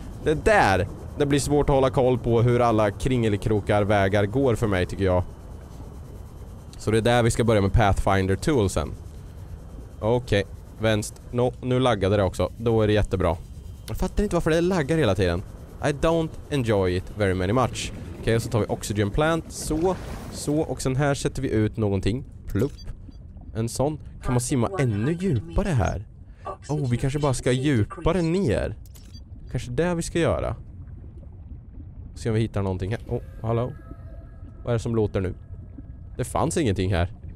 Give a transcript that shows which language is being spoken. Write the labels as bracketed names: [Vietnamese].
[Swedish] Det är där det blir svårt att hålla koll på hur alla kringelkrokar vägar går för mig tycker jag. Så det är där vi ska börja med Pathfinder toolsen. Okej, vänster. No, nu laggade det också. Då är det jättebra. Jag fattar inte varför det laggar hela tiden. [English] I don't enjoy it very many much. [Swedish] Okej, så tar vi oxygen plant. Så, så. Och sen här sätter vi ut någonting. Plupp. En sån. Kan man simma ännu djupare här? Oh, vi kanske bara ska djupare ner. Kanske det vi ska göra. Se om vi hittar någonting här. Oh, hallå. Vad är det som låter nu? Det fanns ingenting här.